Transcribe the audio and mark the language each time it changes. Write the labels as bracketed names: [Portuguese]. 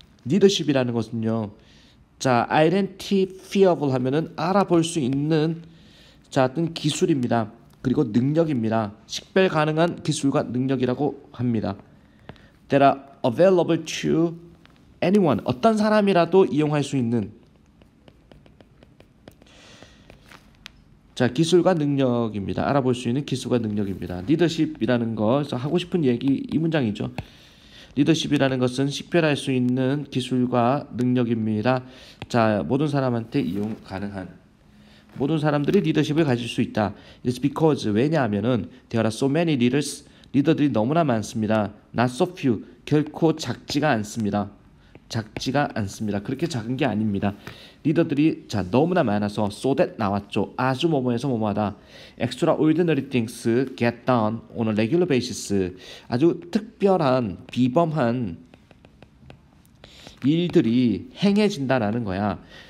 [Korean] 리더십이라는 것은요. Identifiable 하면은 알아볼 수 있는 어떤 기술입니다. 그리고 능력입니다. 식별 가능한 기술과 능력이라고 합니다. [English] That are available to anyone. [Korean] 어떤 사람이라도 이용할 수 있는 기술과 능력입니다. 알아볼 수 있는 기술과 능력입니다. 리더십이라는 것에서 하고 싶은 얘기 이 문장이죠. 리더십이라는 것은 식별할 수 있는 기술과 능력입니다. 모든 사람한테 이용 가능한 모든 사람들이 리더십을 가질 수 있다. [English] It's because [Korean] 왜냐하면은 [English] there are so many leaders [Korean] 리더들이 너무나 많습니다. [English] Not so few [Korean] 결코 작지가 않습니다. 작지가 않습니다. 그렇게 작은 게 아닙니다. 리더들이 너무나 많아서 [English] so that [Korean] 나왔죠. 아주 뭐뭐해서 뭐뭐하다. [English] Extraordinary things get done on a regular basis. [Korean] 아주 특별한 비범한 일들이 행해진다라는 거야.